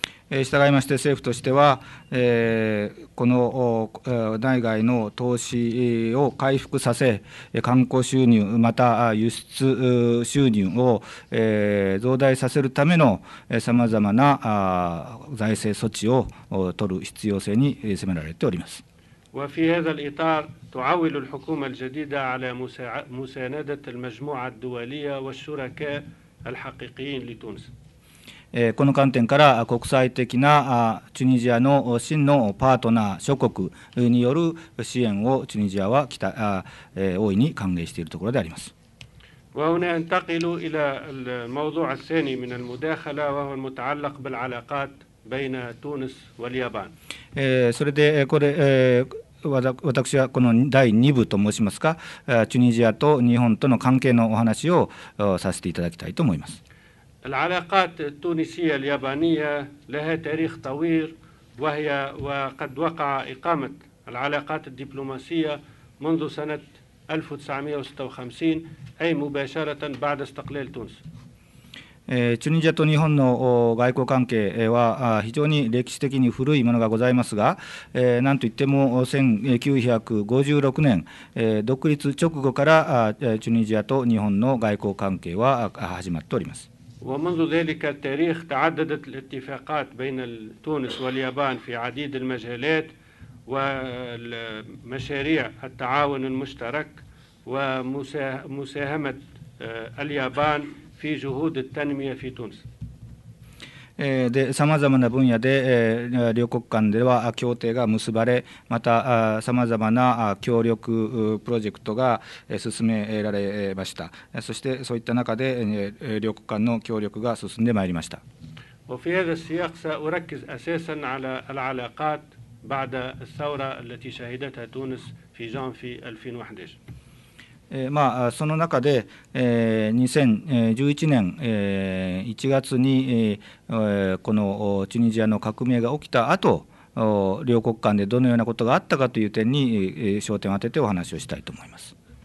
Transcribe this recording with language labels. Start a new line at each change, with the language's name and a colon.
Japanese: 従いまして政府としては、この内外の投資を回復させ、観光収入、また輸出収入を増大させるためのさまざまな財政措置を取る必要性に迫られております。
Arabic: وفي هذا الإطار تعول الحكومة الجديدة على مساندة المجموعة الدولية والشركاء الحقيقيين لتونس。
Japanese: この観点から国際的なチュニジアの真のパートナー諸国による支援をチュニジアは大いに歓迎しているところであります。
Arabic: وهنا انتقل إلى الموضوع الثاني من المداخلة وهو المتعلق بالعلاقات بين تونس واليابان。
Japanese: それでこれ私はこの第2部と申しますか、チュニジアと日本との関係のお話をさせていただきたいと思います。
Arabic: العلاقات التونسية اليابانية لها تاريخ طويل وهي وقد وقع إقامة العلاقات الدبلوماسية منذ سنة 1956 أي مباشرة بعد استقلال تونس。
Japanese: チュニジアと日本の外交関係は非常に歴史的に古いものがございますが、なんといっても1956年独立直後からチュニジアと日本の外交関係は始まっております。
Arabic: ومنذ ذلك التاريخ تعددت الاتفاقات بين تونس واليابان في عديد المجالات ومشاريع التعاون المشترك ومساهمة اليابان في جهود التنمية في تونس。
Japanese: で、さまざまな分野で両国間では協定が結ばれ、またさまざまな協力プロジェクトが進められました。そしてそういった中で両国間の協力が進んでまいりました。
Arabic: وفي هذا السياق سأركز أساساً على العلاقات بعد الثورة التي شهدتها تونس في جانفي 2011.
Japanese: まあ、その中で2011年1月にこのチュニジアの革命が起きた後、両国間でどのようなことがあったかという点に焦点を当ててお話をしたいと思います。